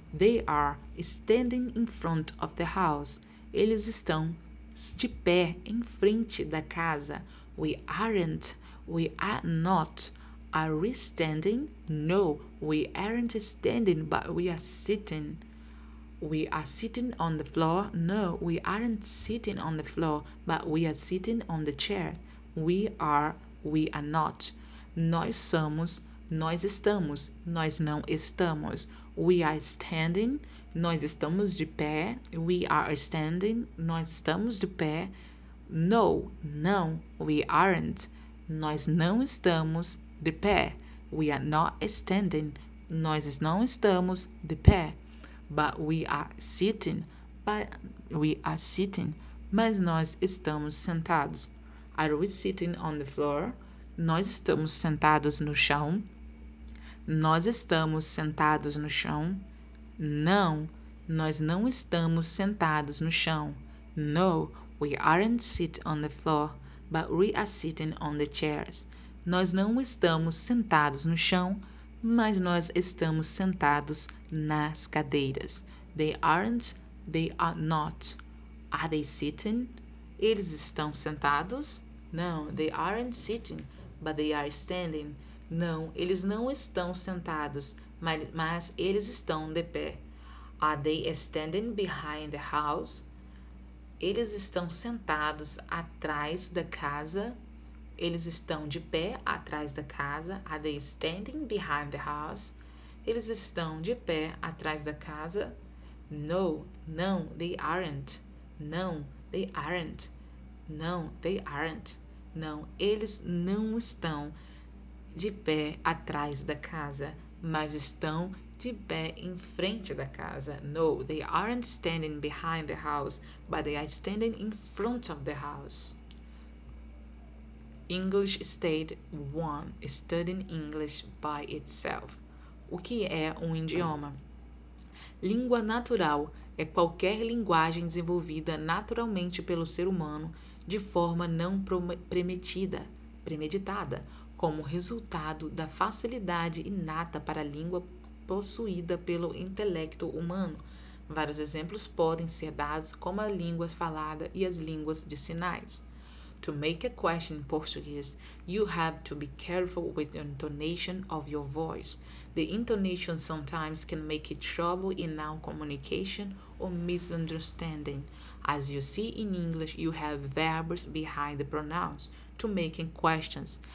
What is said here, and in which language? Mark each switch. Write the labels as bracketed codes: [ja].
[en] They are standing in front of the house. [pt] Eles estão de pé em frente da casa. [en] We aren't. We are not. Are we standing? No, we aren't standing, but we are sitting. We are sitting on the floor. No, we aren't sitting on the floor, but we are sitting on the chair. We are. We are not. [pt] Nós somos. Nós estamos. Nós não estamos. [en] We are standing. [pt] Nós estamos de pé. [en] We are standing. [pt] Nós estamos de pé. No, não. [en] We aren't. [pt] Nós não estamos de pé. [en] We are not standing. [pt] Nós não estamos de pé. [en] But we are sitting. But we are sitting. [pt] Mas nós estamos sentados. [en] Are we sitting on the floor? [pt] Nós estamos sentados no chão? Nós estamos sentados no chão? Não, nós não estamos sentados no chão. [en] No, we aren't sit on the floor, but we are sitting on the chairs. [pt] Nós não estamos sentados no chão, mas nós estamos sentados nas cadeiras. [en] They aren't, they are not. Are they sitting? [pt] Eles estão sentados? [en] Não, they aren't sitting, but they are standing. [pt] Não, eles não estão sentados, mas eles estão de pé. [en] Are they standing behind the house? [pt] Eles estão sentados atrás da casa. Eles estão de pé atrás da casa. [en] Are they standing behind the house? [pt] Eles estão de pé atrás da casa. No, não, [en] they aren't. Não, they aren't. Não, they aren't. [pt] Não, eles não estão de pé atrás da casa, mas estão de pé em frente da casa. [en] No, they aren't standing behind the house, but they are standing in front of the house. English State 1. Studying English by itself. [pt] O que é um idioma? Língua natural é qualquer linguagem desenvolvida naturalmente pelo ser humano de forma não premeditada, como resultado da facilidade inata para a língua possuída pelo intelecto humano. Vários exemplos podem ser dados, como a língua falada e as línguas de sinais. [en] To make a question in Portuguese, you have to be careful with the intonation of your voice. The intonation sometimes can make it trouble in non-communication or misunderstanding. As you see in English, you have verbs behind the pronouns to make questions.